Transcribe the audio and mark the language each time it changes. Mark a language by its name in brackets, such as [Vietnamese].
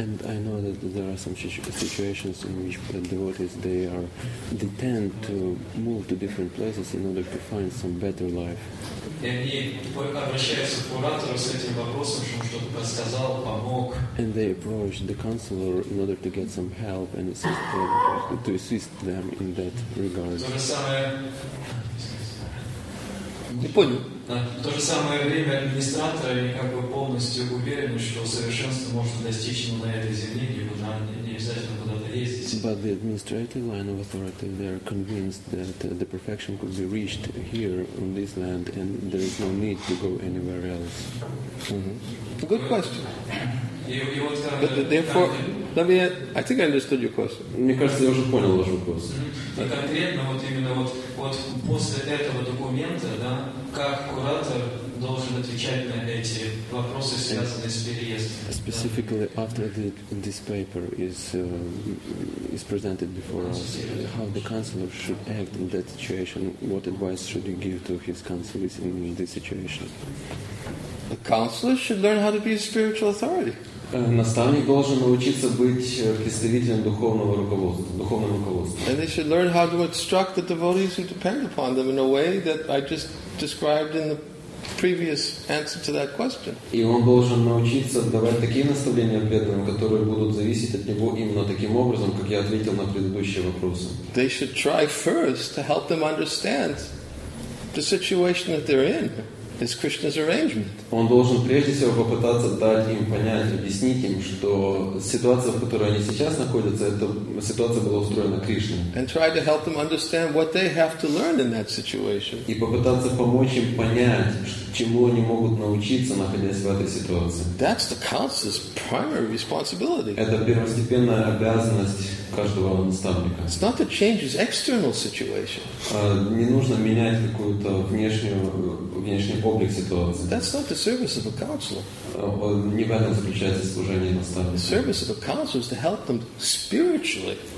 [English] and I know that there are some situations in which devotees they tend to move to different places in order to find some better life. And they approach the counselor in order to get some help and assist to assist them in that regard. [Russian] Не понял. В то же самое время администраторы как бы полностью уверены, что совершенство можно достичь на этой земле, не обязательно куда-то ездить. [English] But the administrative line of authority, they are convinced that the perfection could be reached here on this land, and there is no need to go anywhere else. Mm-hmm. Good question. But therefore, let me. I think I understood your question. [Russian] Мне кажется, я уже понял ваш вопрос. И конкретно вот именно вот после этого документа, да, как куратор должен отвечать на эти вопросы, связанные с переездом? [English] Specifically, after this paper is presented before us, how the counselor should act in that situation? What advice should you give to his counselors in this situation? The counselor should learn how to be a spiritual authority. [Russian] Наставник должен научиться быть представителем духовного руководства, духовным руководством. [English] And they should learn how to instruct the devotees who depend upon them in a way that I just described in the previous answer to that question. [Russian] И он должен научиться давать такие наставления преданным, которые будут зависеть от него именно таким образом, как я ответил на предыдущие вопросы. [English] They should try first to help them understand the situation that they're in. It's Krishna's arrangement. [Russian] Он должен прежде всего попытаться дать им понять, объяснить им, что ситуация, в которой они сейчас находятся, это ситуация была устроена Кришной. [English] And try to help them understand what they have to learn in that situation. [Russian] И попытаться помочь им понять, чему они могут научиться, находясь в этой ситуации. [English] That's the counselor's primary responsibility. [Russian] Это первостепенная обязанность каждого наставника. [English] It's not to change his external situation. [Russian] Не нужно менять какую-то внешнюю облик ситуации. [English] That's not the service of a counselor. [Russian] Не в этом заключается служение наставника. [English] The service of a counselor is to help them spiritually.